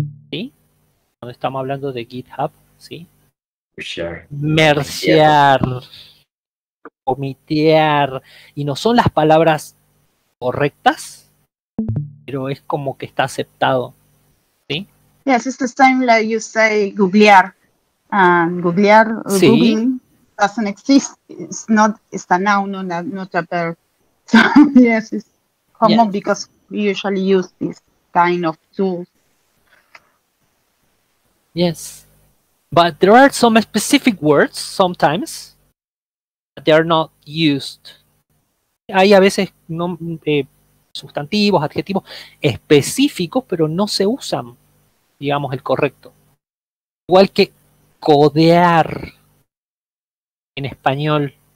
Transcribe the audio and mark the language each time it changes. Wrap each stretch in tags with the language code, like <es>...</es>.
<es>¿Sí? Cuando estamos hablando de GitHub, ¿sí? Pushear. Merciar. comitear, y no son las palabras correctas, pero es como que está aceptado, ¿sí?</es> <en>Yes, it's the same like you say googlear, and googlear, sí. Googling doesn't exist, it's not, it's a noun, not a verb. So yes, it's common, yes. Because we usually use this kind of tools. Yes, but there are some specific words sometimes that they are not used.</en> <es>Hay a veces sustantivos, adjetivos específicos, pero no se usan, digamos, el correcto. Igual que codear en español.</es>